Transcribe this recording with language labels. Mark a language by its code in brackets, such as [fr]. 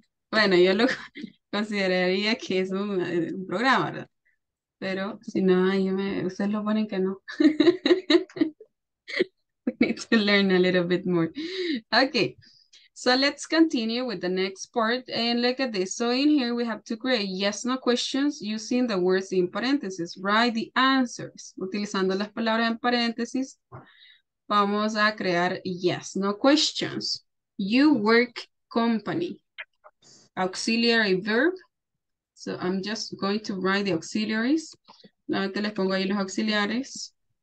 [es] Bueno, yo lo consideraría que es un programa, ¿verdad? Pero si no, ahí me, ustedes lo ponen que no. [en] We need to learn a little bit more. Okay, so let's continue with the next part. And look at this. So in here, we have to create yes, no questions using the words in parentheses. Write the answers. [es] Utilizando las palabras en paréntesis, vamos a crear yes, no questions. [en] You work company. Auxiliary verb. So I'm just going to write the auxiliaries. [es] La vez que les pongo ahí los auxiliares.